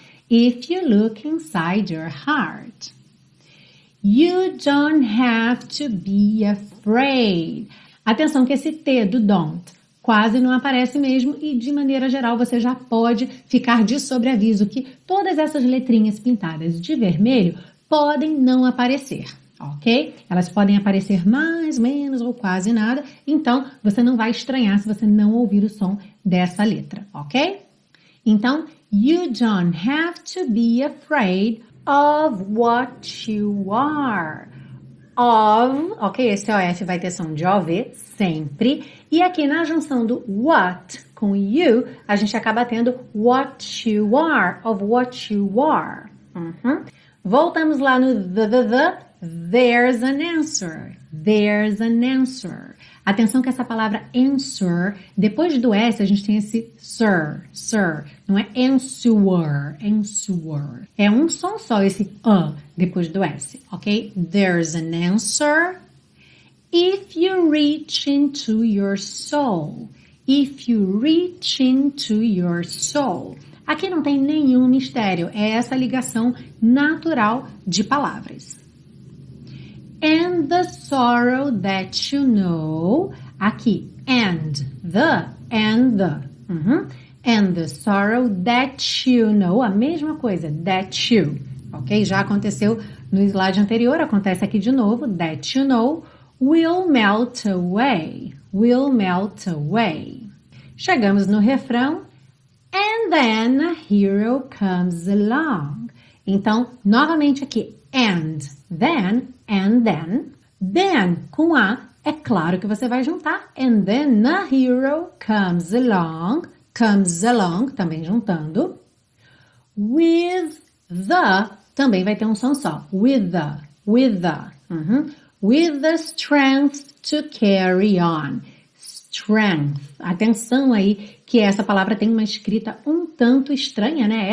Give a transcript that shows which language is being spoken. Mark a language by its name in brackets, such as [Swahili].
[English] If you look inside your heart, you don't have to be afraid. [Portuguese] Atenção que esse T do don't quase não aparece mesmo, e de maneira geral você já pode ficar de sobreaviso que todas essas letrinhas pintadas de vermelho podem não aparecer, ok? Elas podem aparecer mais, menos ou quase nada, então você não vai estranhar se você não ouvir o som dessa letra, ok? [English] Então, you don't have to be afraid of what you are. [Portuguese] Of, ok, esse OF vai ter som de OV, sempre. E aqui na junção do what [English] Com you, [Portuguese] a gente acaba tendo [English] what you are, of what you are. Uhum. [Portuguese] Voltamos lá no [English] the, there's an answer, there's an answer. [Portuguese] Atenção que essa palavra answer, depois do S, a gente tem esse sir, sir. Não é answer, answer. É um som só esse a, depois do S, ok? [English] There's an answer. If you reach into your soul. If you reach into your soul. [Portuguese] Aqui não tem nenhum mistério. É essa ligação natural de palavras. [English] And the sorrow that you know. Aqui, and the, uhum. And the sorrow that you know. [Portuguese] A mesma coisa, that you. Ok? Já aconteceu no slide anterior, acontece aqui de novo. [English] That you know will melt away. Will melt away. [Portuguese] Chegamos no refrão. [English] And then a hero comes along. [Portuguese] Então, novamente aqui. [English] And then. [Portuguese] Then com A, é claro que você vai juntar. [English] And then a hero comes along. Comes along, [Portuguese] também juntando. With the, também vai ter um som só. [English] With the, with the. Uhum. With the strength to carry on. Strength. [Portuguese] Atenção aí que essa palavra tem uma escrita um tanto estranha, né?